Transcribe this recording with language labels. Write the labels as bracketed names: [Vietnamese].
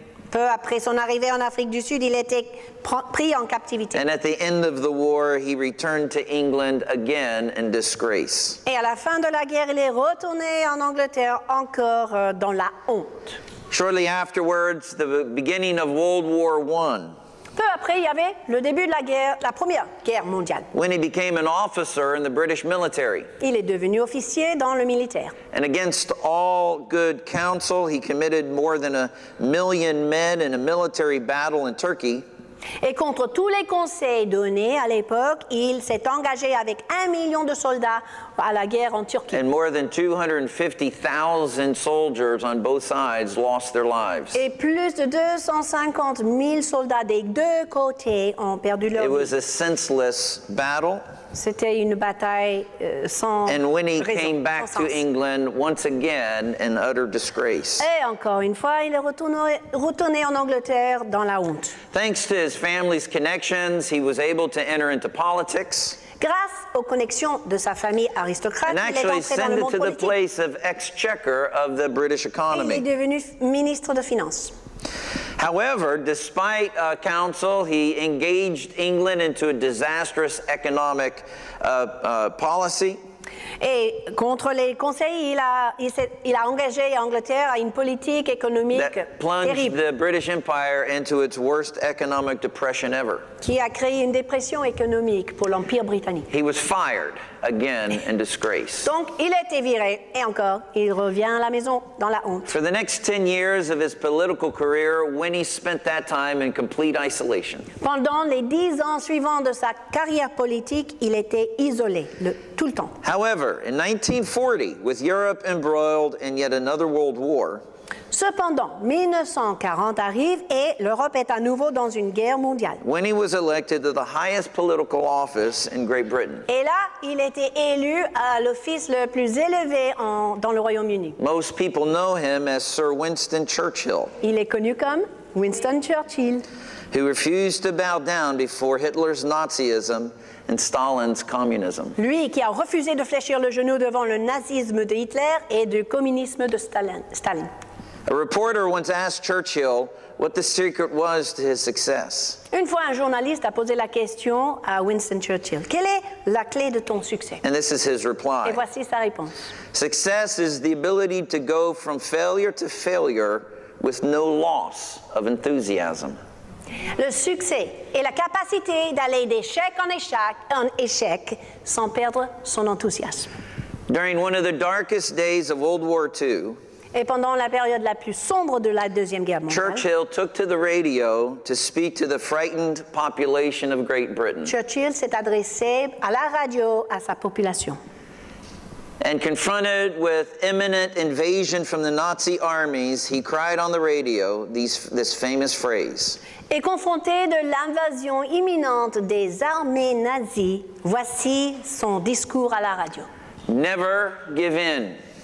[French] Peu après son arrivée en Afrique du Sud, il était pris en captivité. [English] And at the end of the war, he returned to England again in disgrace. [French] Et à la fin de la guerre, il est retourné en Angleterre encore dans la honte. [English] Shortly afterwards, the beginning of World War I. [French] Peu après, il y avait le début de la guerre, la première guerre mondiale. [English] When he became an officer in the British military. [French] Il est devenu officier dans le militaire. [English] And against all good counsel, he committed more than 1 million men in a military battle in Turkey. [French] Et contre tous les conseils donnés à l'époque, il s'est engagé avec 1 million de soldats à la guerre en Turquie. [English] And more than 250,000 soldiers on both sides lost their lives. [French] Et plus de 250,000 soldats des deux côtés ont perdu leur vie. [English] It was a senseless battle. [French] C'était une bataille sans raison. [English] And when he came back to England once again in utter disgrace. [French] Et encore une fois, il est retourné en Angleterre dans la honte. [English] Thanks to his family's connections, he was able to enter into politics. [French] Grâce aux connexions de sa famille aristocratique, [English] and actually sent to the place of exchequer of the British economy. [French] Et il est devenu ministre de finances. [English] However, despite counsel, he engaged England into a disastrous economic policy. [French] Et contre les conseils, il a engagé l'Angleterre à une politique économique [English] that plunged [French] terrible. [English] The British Empire into its worst economic depression ever. [French] Qui a créé une dépression économique pour l'Empire britannique. [English] He was fired again in disgrace. [French] Donc, il a été viré, et encore, il revient à la maison dans la honte. [English] For the next 10 years of his political career, Winnie spent that time in complete isolation. [French] Pendant les 10 ans suivants de sa carrière politique, il était isolé tout le temps. [English] However, in 1940, with Europe embroiled in yet another world war, [French] cependant, 1940 arrive et l'Europe est à nouveau dans une guerre mondiale. [English] When he was elected to the highest political office in Great Britain. [French] Et là, il était élu à l'office le plus élevé dans le Royaume-Uni. [English] Most people know him as Sir Winston Churchill. [French] Il est connu comme Winston Churchill. [English] Who refused to bow down before Hitler's Nazism and Stalin's communism. [French] Lui qui a refusé de fléchir le genou devant le nazisme de Hitler et du communisme de Stalin. [English] A reporter once asked Churchill what the secret was to his success. [French] Une fois, un journaliste a posé la question à Winston Churchill. Quelle est la clé de ton succès? [English] And this is his reply. [French] Et voici sa réponse. [English] Success is the ability to go from failure to failure with no loss of enthusiasm. [French] Le succès est la capacité d'aller d'échec en échec sans perdre son enthousiasme. [English] During one of the darkest days of World War II, [French] et pendant la période la plus sombre de la Deuxième Guerre mondiale, [English] Churchill took to the radio to speak to the frightened population of Great Britain. [French] Churchill s'est adressé à la radio à sa population. [English] And confronted with imminent invasion from the Nazi armies, he cried on the radio this famous phrase. [French] Et confronté de l'invasion imminente des armées nazies, voici son discours à la radio. [English] Never give in.